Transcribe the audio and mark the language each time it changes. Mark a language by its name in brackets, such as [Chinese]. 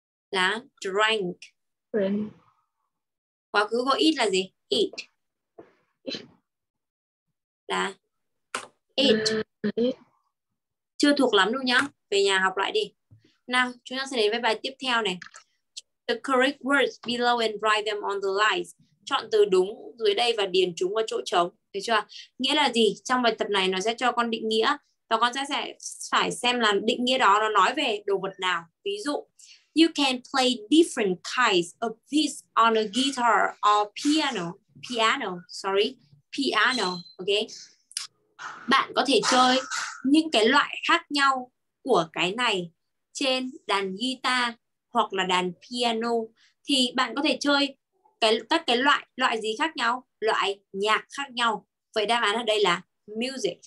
[Vietnamese] là [English] drank. Drank. [Vietnamese] Quá khứ của eat là gì? Eat. Là eat. Chưa thuộc lắm đâu nhá. Về nhà học lại đi. Nào, chúng ta sẽ đến với bài tiếp theo này. [English] The correct words below and write them on the lines. [Vietnamese] Chọn từ đúng dưới đây và điền chúng vào chỗ trống. Thấy chưa? Nghĩa là gì? Trong bài tập này nó sẽ cho con định nghĩa và con sẽ phải xem là định nghĩa đó nó nói về đồ vật nào. Ví dụ, [English] you can play different kinds of this on a guitar or piano. Piano, sorry. Piano, okay? [Vietnamese] Bạn có thể chơi những cái loại khác nhau của cái này trên đàn guitar hoặc là đàn piano. Thì bạn có thể chơi các cái loại gì khác nhau? Loại nhạc khác nhau. Vậy đáp án ở đây là music.